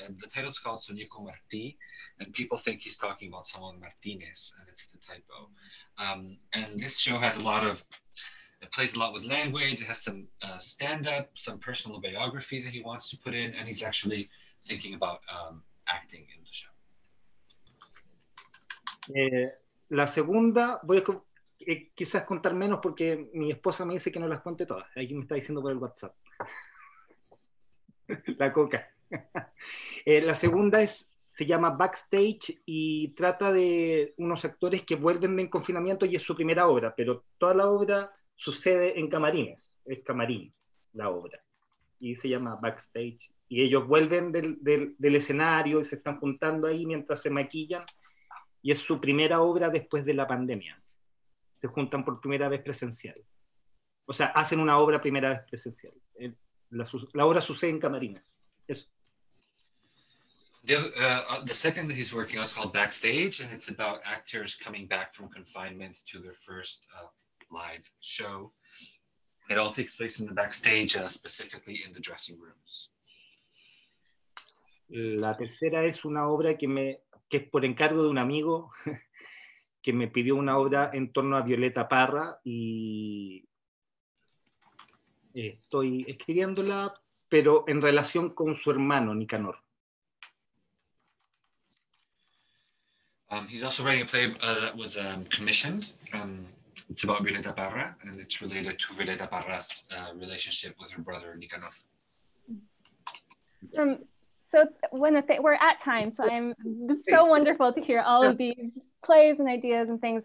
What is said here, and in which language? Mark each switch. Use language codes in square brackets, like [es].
[en] And the title's called Soñé con Martí, and people think he's talking about someone Martínez, and it's just a typo. And this show has a lot of, it plays a lot with language. It has some stand-up, some personal biography that he wants to put in, and he's actually thinking about acting in the show. [es] La segunda, voy a quizás contar menos porque mi esposa me dice que no las cuente todas. Aquí me está diciendo por el WhatsApp. La coca. La segunda es, se llama Backstage y trata de unos actores que vuelven de confinamiento y es su primera obra, pero toda la obra sucede en camarines. Es camarín la obra. Y se llama Backstage. Y ellos vuelven del escenario y se están juntando ahí mientras se maquillan. Y es su primera obra después de la pandemia. Se juntan por primera vez presencial. O sea, hacen una obra primera vez presencial. La obra sucede en camarines. Eso. [en] The second that he's working on is called Backstage, and it's about actors coming back from confinement to their first live show. It all takes place in the backstage, specifically in the dressing rooms. [es] La tercera es una obra que es por encargo de un amigo que me pidió una obra en torno a Violeta Parra y estoy escribiéndola, pero en relación con su hermano Nicanor. [en] He's also writing a play that was commissioned. It's about Violeta Parra, and it's related to Violeta Parra's relationship with her brother, Nicanor. We're at time, so I'm so wonderful to hear all of these plays and ideas and things.